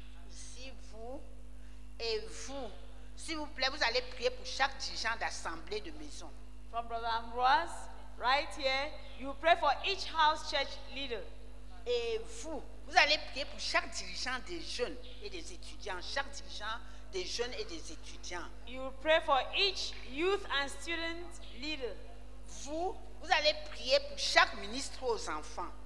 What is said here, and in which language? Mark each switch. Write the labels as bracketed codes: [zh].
[fr] Ici, vous et vous, s'il vous plaît, vous allez prier pour chaque dirigeant d'assemblée de maison. [en] From Brother Ambroise, right here, you pray for each house church leader. [fr] Et vous allez prier pour chaque dirigeant des jeunes et des étudiants, chaque dirigeant des jeunes et des étudiants. [en] You pray for each youth and student leader. [fr] Vous allez prier pour chaque ministre aux enfants.